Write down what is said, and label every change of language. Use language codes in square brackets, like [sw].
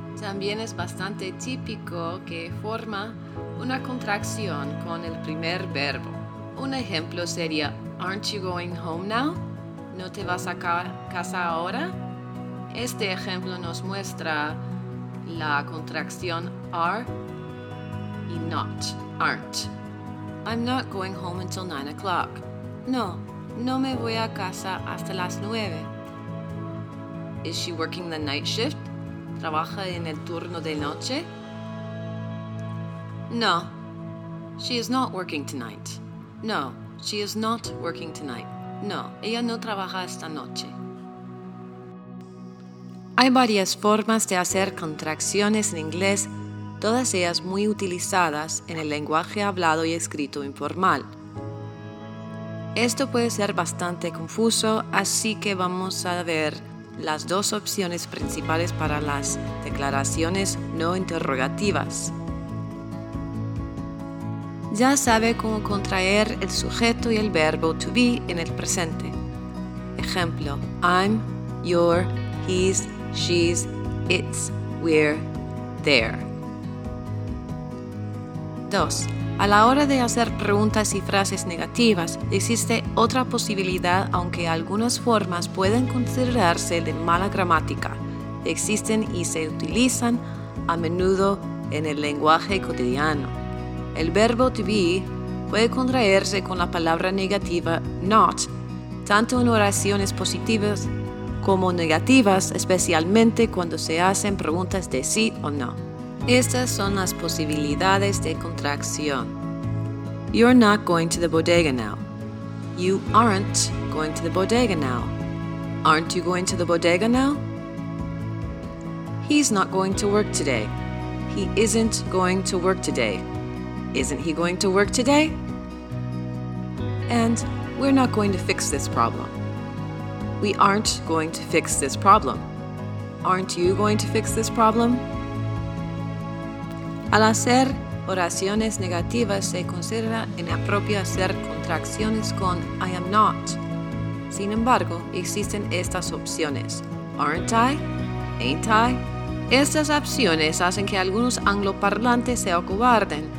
[es] También es bastante típico que forma una contracción con el primer verbo. Un ejemplo sería, [en] aren't you going home now? [es] ¿No te vas a casa ahora? Este ejemplo nos muestra la contracción are y not, aren't. [en] I'm not going home until 9 o'clock. [es] No, no me voy a casa hasta las 9. [en] Is she working the night shift? [es] ¿Trabaja en el turno de noche? [en] No, she is not working tonight. No, she is not working tonight. [es] No, ella no trabaja esta noche. Hay varias formas de hacer contracciones en inglés, todas ellas muy utilizadas en el lenguaje hablado y escrito informal. Esto puede ser bastante confuso, así que vamos a ver las dos opciones principales para las declaraciones no interrogativas. Ya sabe cómo contraer el sujeto y el verbo to be en el presente. Ejemplo, [en] I'm, you're, he's, she's, it's, we're, there. 2. [es] A la hora de hacer preguntas y frases negativas, existe otra posibilidad, aunque algunas formas pueden considerarse de mala gramática. Existen y se utilizan a menudo en el lenguaje cotidiano. El verbo to be puede contraerse con la palabra negativa not, tanto en oraciones positivas como negativas, especialmente cuando se hacen preguntas de sí o no. Estas son las posibilidades de contracción. [en] You're not going to the bodega now. You aren't going to the bodega now. Aren't you going to the bodega now? He's not going to work today. He isn't going to work today. Isn't he going to work today? And we're not going to fix this problem. We aren't going to fix this problem. Aren't you going to fix this problem? [es] Al hacer oraciones negativas se considera inapropio hacer contracciones con I am not. Sin embargo, existen estas opciones. [en] Aren't I? Ain't I? [es] Estas opciones hacen que algunos angloparlantes se acobarden.